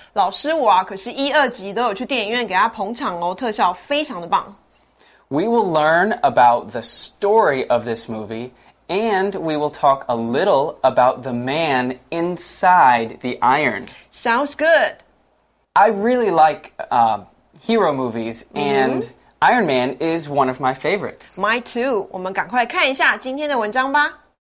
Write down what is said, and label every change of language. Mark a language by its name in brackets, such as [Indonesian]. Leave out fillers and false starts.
[Chinese] 老师我啊，可是一二集都有去电影院给他捧场哦，特效非常的棒。 [English] We will learn about the story of this movie,And we will talk a little about the man inside the iron. Sounds good. I really like hero movies, and Iron Man is one of my favorites. My too. [Chinese] 我们赶快看一下今天的文章吧。